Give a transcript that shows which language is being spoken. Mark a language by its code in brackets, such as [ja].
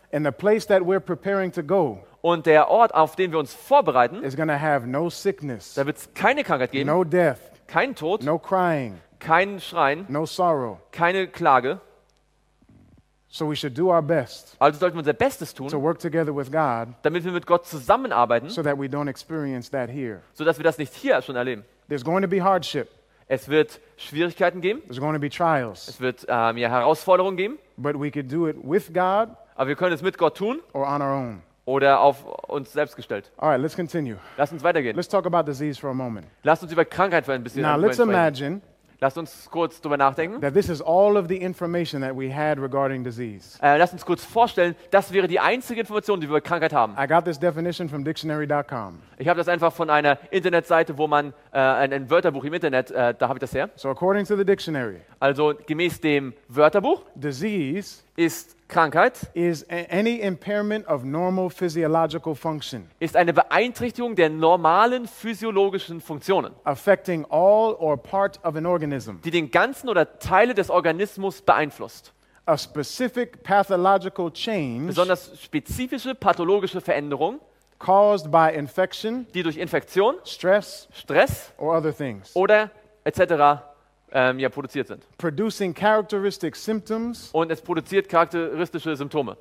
[en] And the place that we're preparing to go, [de] und der Ort, auf den wir uns vorbereiten, [en] is gonna have no sickness, [de] da wird es keine Krankheit geben, [en] no death, [de] kein Tod, [en] no crying, [de] kein Schreien, [en] no sorrow, [de] keine Klage. [en] So we should do our best. [de] Also sollten wir unser Bestes tun. [en] To work together with God. [de] Damit wir mit Gott zusammenarbeiten. [en] So that we don't experience that here. [de] So dass wir das nicht hier schon erleben. [en] There's going to be hardship. [de] Es wird Schwierigkeiten geben. [en] There's going to be trials. [de] Es wird Herausforderungen geben. [en] But we could do it with God. [de] Aber wir können es mit Gott tun. [en] Or on our own. [de] Oder auf uns selbst gestellt. [en] All right, let's continue. [de] Lass uns weitergehen. [en] Let's talk about disease for a moment. [de] Lass uns über Krankheit für ein bisschen [en] sprechen. Now let's imagine. [de] Lass uns kurz drüber nachdenken. [en] That this is all of the information that we had regarding disease. [de] Lass uns kurz vorstellen, das wäre die einzige Information, die wir über Krankheit haben. [en] I got this definition from dictionary.com. [de] Ich habe das einfach von einer Internetseite, wo man ein Wörterbuch im Internet, da habe ich das her. [en] So according to the dictionary. [de] Also gemäß dem Wörterbuch. [en] Disease [de] ist Krankheit. [en] Is any impairment of normal physiological function. [de] Ist eine Beeinträchtigung der normalen physiologischen Funktionen. [en] Affecting all or part of an organism. [de] Die den ganzen oder Teile des Organismus beeinflusst. [en] A specific pathological change. [de] Besonders spezifische pathologische Veränderung. [en] Caused by infection. [de] Die durch Infektion. [en] Stress. Or other things. [de] Oder etc. Produziert sind. [en] Producing characteristic symptoms. [de] Und es produziert charakteristische Symptome.